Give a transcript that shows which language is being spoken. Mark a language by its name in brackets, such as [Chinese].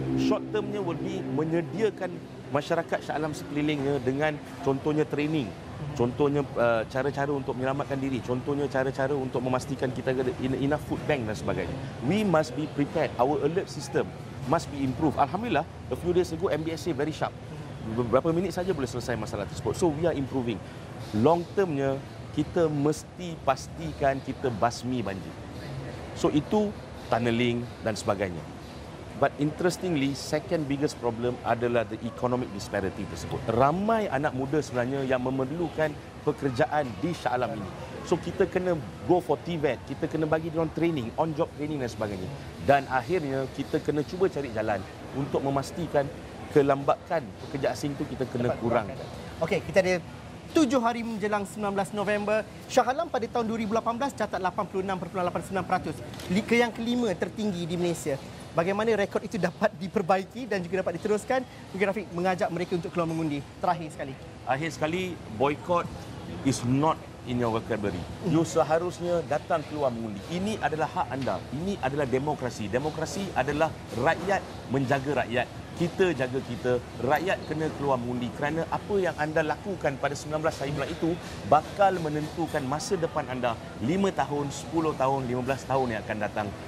[Malay] Short termnya [English] will be [Malay] menyediakan masyarakat Shah Alam sekelilingnya dengan contohnya training, contohnya cara-cara untuk menyelamatkan diri, contohnya cara-cara untuk memastikan kita ada [English] enough food bank [Malay] dan sebagainya. [English] We must be prepared. Our alert system must be improved. Alhamdulillah, a few days ago, MBSA very sharp. [Malay] Beberapa minit saja boleh selesai masalah tersebut. [English] So, we are improving. [Malay] Long termnya, kita mesti pastikan kita basmi banjir. So, itu tunneling dan sebagainya. [English] But interestingly, second biggest problem adalah the economic disparity tersebut. [Malay] Ramai anak muda sebenarnya yang memerlukan pekerjaan di Shah Alam ini. So, kita kena [English] go for TVET. [Malay] Kita kena bagi mereka training, [English] on-job training [Malay] dan sebagainya. Dan akhirnya, kita kena cuba cari jalan untuk memastikan kelambakan pekerja asing itu kita kena kurangkan. Okey, kita ada 7 hari menjelang 19 November. Shah Alam pada tahun 2018 catat 86.89%. Liga yang kelima tertinggi di Malaysia. Bagaimana rekod itu dapat diperbaiki dan juga dapat diteruskan? Mungkin Rafiq mengajak mereka untuk keluar mengundi. Terakhir sekali. Akhir sekali, [English] boycott is not in your vocabulary. [Malay] You seharusnya datang keluar mengundi. Ini adalah hak anda. Ini adalah demokrasi. Demokrasi adalah rakyat menjaga rakyat. Kita jaga kita. Rakyat kena keluar mengundi kerana apa yang anda lakukan pada 19 hari bulan itu bakal menentukan masa depan anda 5 tahun, 10 tahun, 15 tahun yang akan datang.